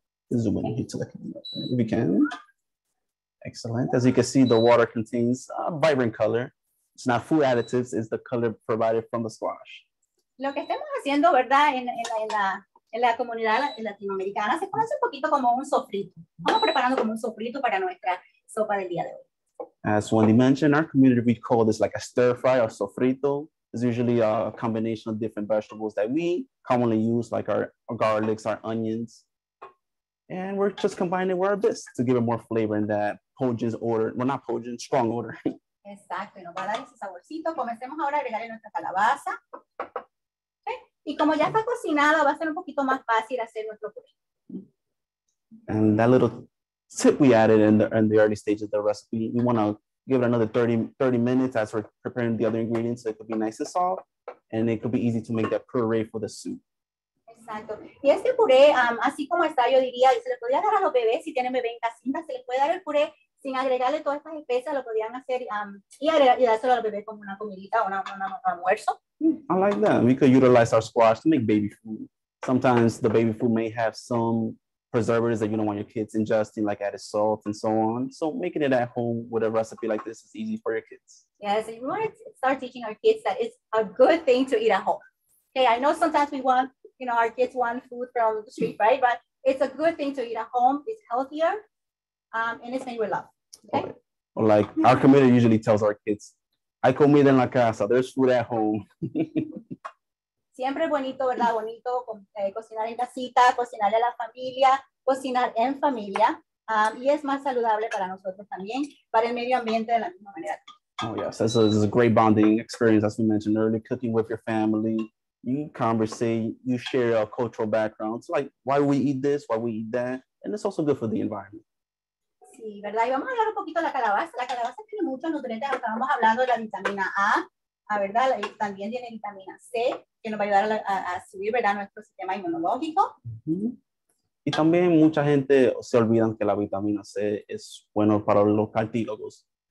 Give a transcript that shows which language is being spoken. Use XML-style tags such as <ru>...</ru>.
<en>If you can. Excellent. As you can see, the water contains a vibrant color. It's not food additives, it's the color provided from the squash.</en> <es>Lo que estamos haciendo, ¿verdad?, en la comunidad latinoamericana se conoce un poquito como un sofrito. Vamos preparando como un sofrito para nuestra sopa del día de hoy.</es> <en>As Wendy mentioned, our community, we call this like a stir fry or sofrito. It's usually a combination of different vegetables that we commonly use, like our garlics, our onions. And we're just combining it with our bisque to give it more flavor in that pungent odor. Well, not pungent, strong odor.</en> <es>Exacto, y nos va a dar ese saborcito. Comencemos ahora a agregarle nuestra calabaza. ¿Okay? Y como ya está cocinada, va a ser un poquito más fácil hacer nuestro puré.</es> <en>And that little tip we added in the early stages of the recipe, we want to give it another 30 minutes as we're preparing the other ingredients so it could be nice and soft, and it could be easy to make that puree for the soup.</en> <es>Exacto. Y este puré, así como está, yo diría, se le podría dar a los bebés, si tienen bebé en casita, se les puede dar el puré. Sin agregarle todas estas especias, lo podrían hacer y dárselo al bebé como una comidita o un almuerzo.</es> <en>I like that. We could utilize our squash to make baby food. Sometimes the baby food may have some preservatives that you don't want your kids ingesting, like added salt and so on. So making it at home with a recipe like this is easy for your kids. Yes, we want to start teaching our kids that it's a good thing to eat at home. Okay, I know sometimes we want, you know, our kids want food from the street, right? But it's a good thing to eat at home. It's healthier. And it's made with love, okay? Well, like our community usually tells our kids,</en> <es>hay comida en la casa,</es> <en>there's food at home.</en> <es>Siempre bonito, ¿verdad? Bonito cocinar en casita, cocinar a la familia, cocinar en familia. Y es más saludable para nosotros también, para el medio ambiente de la misma manera.</es> <en>Oh, yes. This is a great bonding experience, as we mentioned earlier, cooking with your family. You conversate, you share a cultural background. It's like, why we eat this, why we eat that. And it's also good for the environment.</en> <es>Sí, ¿verdad? Y vamos a hablar un poquito de la calabaza. La calabaza tiene muchos nutrientes. Estábamos hablando de la vitamina A, ¿verdad? También tiene vitamina C, que nos va a ayudar a subir, ¿verdad?, nuestro sistema inmunológico. Uh-huh. Y también mucha gente se olvida que la vitamina C es bueno para los cartílagos.</es>